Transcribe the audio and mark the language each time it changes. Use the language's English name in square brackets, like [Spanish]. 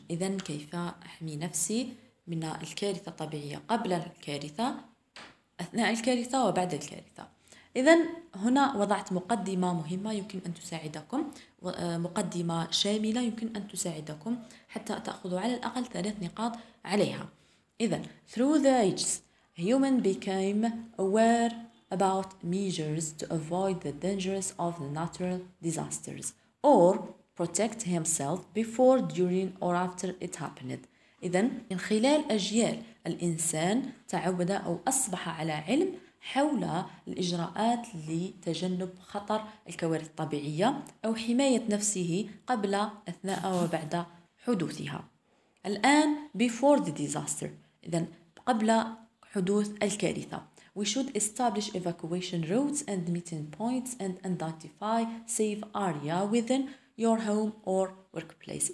[Arabic] إذا كيف أحمي نفسي من الكارثة الطبيعية قبل الكارثة، أثناء الكارثة وبعد الكارثة. إذا هنا وضعت مقدمة مهمة يمكن أن تساعدكم، مقدمة شاملة يمكن أن تساعدكم حتى تأخذوا على الأقل 3 نقاط عليها. [English] إذا through the ages human became aware about measures to avoid the dangers of the natural disasters or protect himself before, during or after it happened. [Arabic] إذا من خلال أجيال الإنسان تعود أو أصبح على علم حول الإجراءات لتجنب خطر الكوارث الطبيعية أو حماية نفسه قبل أثناء وبعد حدوثها. [English] الآن before the disaster، [Arabic] إذا قبل حدوث الكارثة، [English] we should establish evacuation routes and meeting points and identify safe area within your home or workplace.